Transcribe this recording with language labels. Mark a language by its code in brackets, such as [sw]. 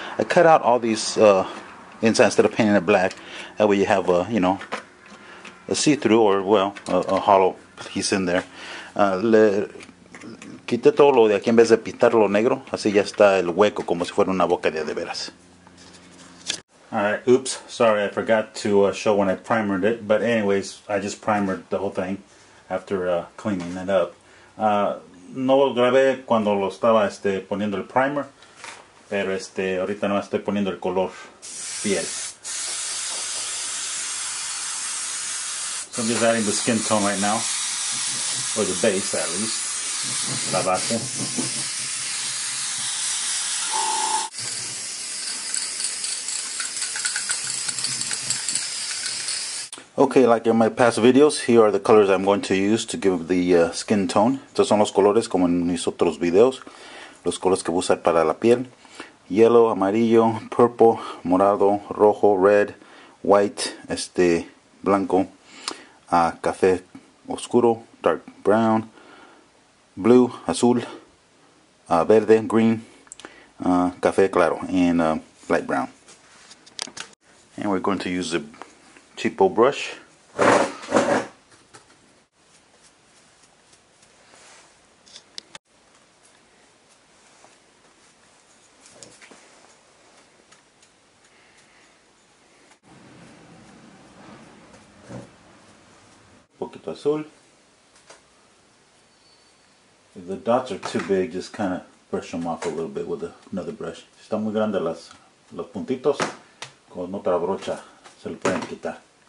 [en] I cut out all these inside instead of painting it black, that way you have a, you know, a see-through or, well, a hollow piece in there. [es] Le quité todo lo de aquí en vez de pintarlo negro, así ya está el hueco como si fuera una boca de veras. [en] Alright, oops, sorry, I forgot to show when I primered it, but anyways, I just primered the whole thing after cleaning it up. [es] No lo grabé cuando lo estaba poniendo el primer, pero ahorita no estoy poniendo el color piel. [en] So I'm just adding the skin tone right now, or the base at least, la base. Okay, like in my past videos, here are the colors I'm going to use to give the skin tone. [es] Estos son los colores como en mis otros videos. Los colores que voy a usar para la piel. [en] Yellow, amarillo, purple, morado, rojo, red, white, blanco, café oscuro, dark brown, blue, azul, verde, green, café claro, and light brown. And we're going to use the cheapo brush. [es] Un poquito azul. [en] If the dots are too big, just kind of brush them off a little bit with another brush. [es] Están muy grandes los puntitos, con otra brocha se lo pueden quitar.